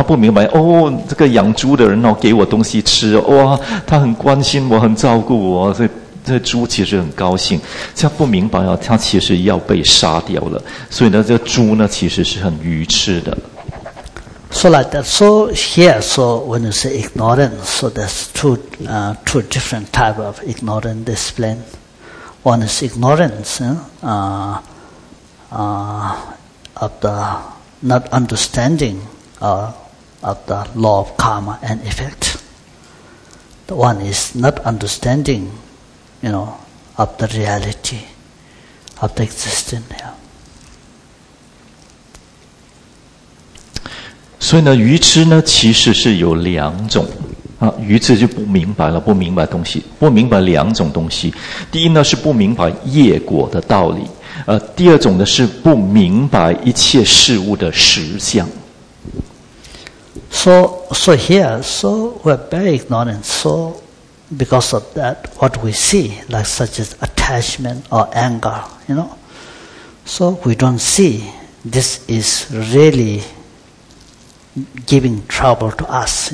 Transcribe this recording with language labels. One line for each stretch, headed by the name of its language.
Chinese: 他不明白哦，这个养猪的人哦给我东西吃，哇，他很关心我，很照顾我，所以。这猪其实很高兴，他不明白啊，他其实要被杀掉了。所以呢，这猪呢其实是很愚痴的。
English: So like that. So here, so when you say ignorance, so there's two different type of ignorance discipline. One is ignorance, of the not understanding, of the law of karma and effect. The one is not understanding. You know, of the reality, of the existence. Yeah.
Chinese: 所以呢，愚痴呢，其实是有两种啊。愚痴就不明白了，不明白东西，不明白两种东西。第一呢，是不明白业果的道理；第二种呢，是不明白一切事物的实相。
English: So here, so we're very ignorant. So because of that, what we see, like such as attachment or anger, you know, so we don't see this is really giving trouble to us.